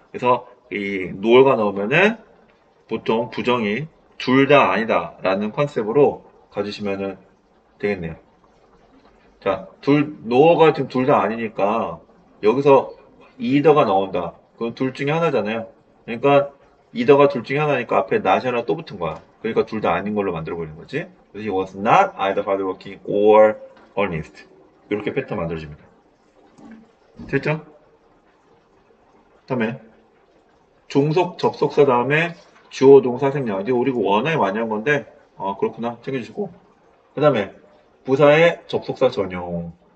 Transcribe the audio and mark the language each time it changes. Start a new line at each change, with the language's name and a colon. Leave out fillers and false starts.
Korean: 그래서 이 nor가 나오면은 보통 부정이 둘다 아니다 라는 컨셉으로 가지시면 되겠네요. 자, 노어가 지금 둘다 아니니까, 여기서 이더가 나온다. 그건 둘 중에 하나잖아요. 그러니까, 이더가 둘 중에 하나니까 앞에 not이 하나 또 붙은 거야. 그러니까 둘다 아닌 걸로 만들어버리는 거지. 그래서
English: he was not either hardworking or honest.
Korean: 이렇게 패턴 만들어집니다. 됐죠? 다음에, 종속 접속사 다음에 주어 동사 생략. 이제 우리 워낙에 많이 한 건데, 그렇구나. 챙겨주시고. 그 다음에, 부사의 접속사 전용.